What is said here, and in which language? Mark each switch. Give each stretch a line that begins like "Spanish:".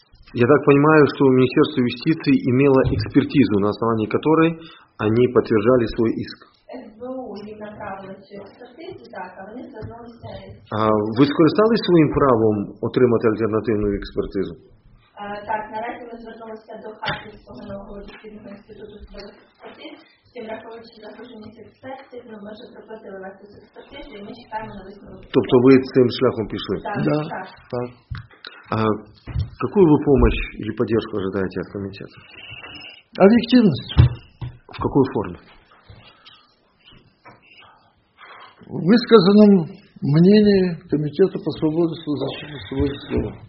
Russian: Я так понимаю, что Министерство юстиции имело экспертизу, на основании которой они подтверждали свой иск.
Ukrainian: Вы скористались своим правом отримати альтернативную экспертизу? Так, наразі ми звернулися до Харківського наукового дослідного інституту експертиз, тим враховуючи загруженість експертів, ми вже пропустили вас з експертизи, і ми чекаємо на висновок. Тобто ви цим шляхом пішли? Так.
Russian: А какую вы помощь или поддержку ожидаете от комитета? Объективность. В какой форме? В высказанном мнении комитета по свободе слова, защите свободы слова.